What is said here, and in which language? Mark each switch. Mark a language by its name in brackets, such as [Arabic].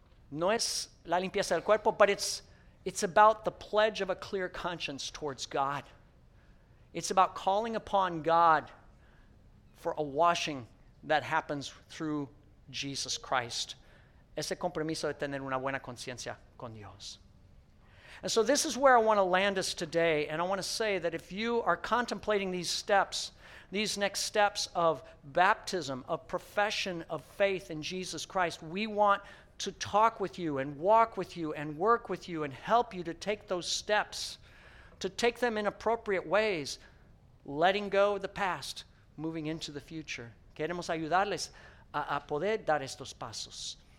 [Spanish] No es la limpieza del cuerpo, [English] but it's about the pledge of a clear conscience towards God. It's about calling upon God for a washing that happens through Jesus Christ. [Spanish] Ese compromiso de tener una buena conciencia con Dios. [English] And so this is where I want to land us today. And I want to say that if you are contemplating these steps, these next steps of baptism, of profession of faith in Jesus Christ, we want to talk with you and walk with you and work with you and help you to take those steps, to take them in appropriate ways, letting go of the past, moving into the future. [Spanish] Queremos ayudarles a poder dar estos pasos.